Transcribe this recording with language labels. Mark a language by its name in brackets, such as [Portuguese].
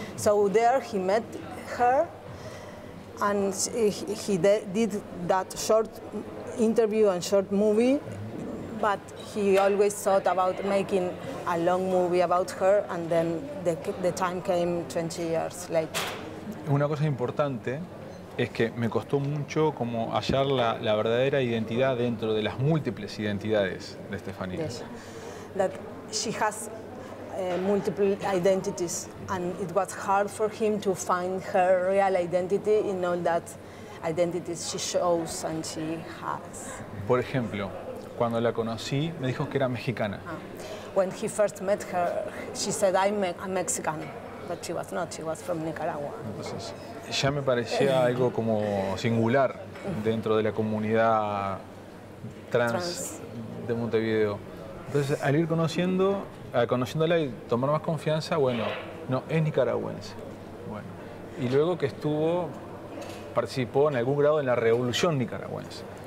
[English] So there he met her, and he did that short interview and short movie, but he always thought about making a long movie about her, and then the time came 20 years later. [Spanish] Una cosa importante es que me costó mucho como hallar la verdadera identidad dentro de las múltiples identidades de Stephanía. [English] Yes. That she has multiple identities, and it was hard for him to find her real identity in all that identities she shows and she has. [Spanish] Por ejemplo, cuando la conocí, me dijo que era mexicana. [English] When he first met her, she said, I'm a Mexican. But she was not, she was from Nicaragua. [Spanish] Entonces, ya me parecía algo como singular dentro de la comunidad trans de Montevideo. Entonces, al ir conociéndola y tomar más confianza, bueno, no, es nicaragüense. Bueno, y luego que participó en algún grado en la revolución nicaragüense.